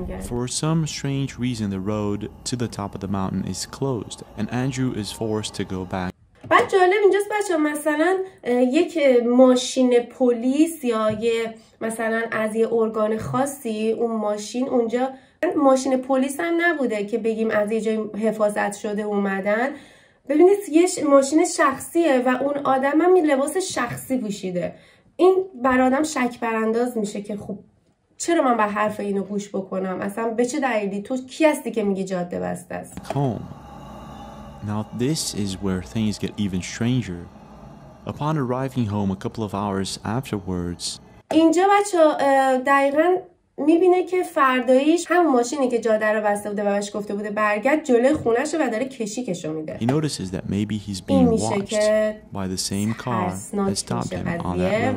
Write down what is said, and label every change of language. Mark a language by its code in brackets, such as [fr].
[en] For some strange reason, the road to the top of the mountain is closed, and Andrew is forced to go back. [fa] بعد جالب اینجاست بچه ها، مثلا یک ماشین پلیس یا یه مثلا از یه ارگان خاصی، اون ماشین اونجا ماشین پلیس هم نبوده که بگیم از یه جای حفاظت شده اومدن. ببینید یه ماشین شخصیه و اون آدم هم لباس شخصی پوشیده. این برادرم شک برانداز میشه که خب چرا من به حرف اینو گوش بکنم؟ اصلا به چه دلیلی؟ تو کی هستی که میگی جاده بسته است؟ [en] Now this is where things get even stranger. Upon arriving home a couple of hours afterwards. [fa] اینجا بچه دقیقاً میبینه که فردایش همون ماشینی که جاده رو بسته بوده و بهش گفته بوده برگرد، جلوی خونه‌شه و داره کشیکشو میده. [en] He notices that maybe he's being watched by the same car that stopped him on that road.